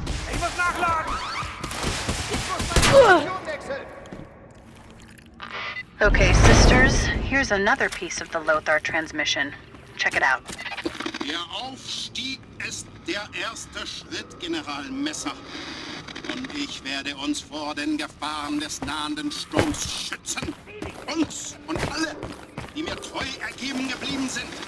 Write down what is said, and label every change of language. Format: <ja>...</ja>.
<de>Ich muss nachladen! Ich muss meine Position wechseln!</de> <en>Okay, sisters, here's another piece of the Lothar transmission. Check it out.</en> <de>Der Aufstieg ist der erste Schritt, General Messer. Und ich werde uns vor den Gefahren des nahenden Sturms schützen. Uns und alle, die mir treu ergeben geblieben sind.</de>